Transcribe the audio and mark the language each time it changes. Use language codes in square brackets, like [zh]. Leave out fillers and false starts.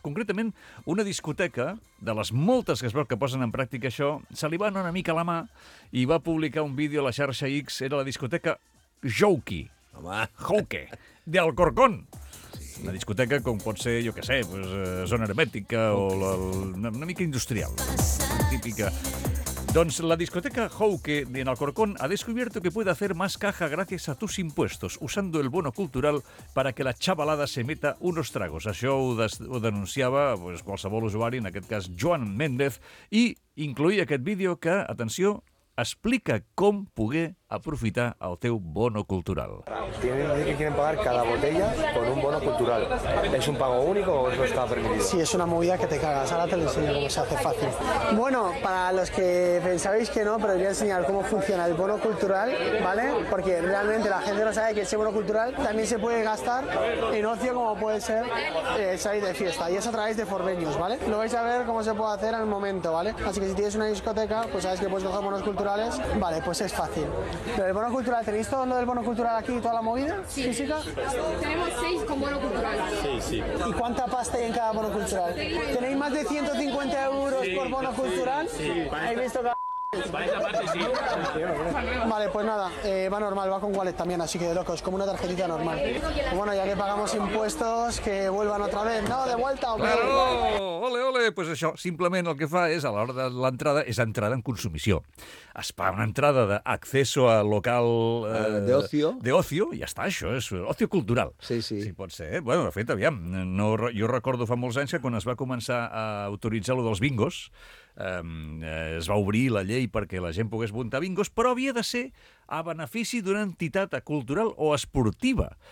[ca] Concretament, una discoteca, de les moltes que es veu que posen en pràctica això, se li va anar una mica la mà i va publicar un vídeo a la xarxa X, era la discoteca Jouki. Home. Jouki, d'Alcorcón. Sí. Una discoteca com pot ser, jo què sé, pues, zona hermètica o una mica industrial, típica. [es] Doncs la discoteca Jouki en Alcorcón ha descubierto que puede hacer más caja gracias a tus impuestos, usando el bono cultural para que la chavalada se meta unos tragos. [ca] Això ho, ho denunciava pues, qualsevol usuari, en aquest cas Joan Méndez, i incluïa aquest vídeo que, atenció, explica com poder aprofitar el teu bono cultural. [es] Tienen que decir que quieren pagar cada botella con un bono cultural. ¿Es un pago único o eso está permitido? Sí, es una movida que te cagas. Ahora te lo enseño cómo se hace fácil. Bueno, para los que pensabais que no, pero os voy a enseñar cómo funciona el bono cultural, ¿vale? Porque realmente la gente no sabe que ese bono cultural también se puede gastar en ocio como puede ser salir de fiesta. Y es a través de Forvenues, ¿vale? Lo vais a ver cómo se puede hacer al momento, ¿vale? Así que si tienes una discoteca, pues sabes que puedes coger bonos culturales. Vale, pues es fácil. Pero el bono cultural, ¿tenéis todo lo del bono cultural aquí, toda la movida sí. física? Tenemos 6 con bono cultural. Sí, sí. ¿Y cuánta pasta hay en cada bono cultural? ¿Tenéis más de 150 euros sí, por bono sí, cultural? Sí, ¿habéis visto que... Vale, pues nada, va normal, va con wallet también, así que de locos, como una tarjetita normal. Bueno, ya que pagamos impuestos, que vuelvan otra vez, ¿no? De vuelta, ok. [ca] Claro, ole, ole, pues això, simplement el que fa és, a l'hora de l'entrada, és entrada en consumició. Es fa una entrada d'acceso a local... d'ocio. D'ocio, ja està, això, és ocio cultural. Sí, sí. Sí, pot ser. Bueno, de fet, aviam, no, jo recordo fa molts anys que quan es va començar a autoritzar lo dels bingos, es va obrir la llei perquè la gent pogués muntar bingos, però havia de ser a benefici d'una entitat cultural o esportiva.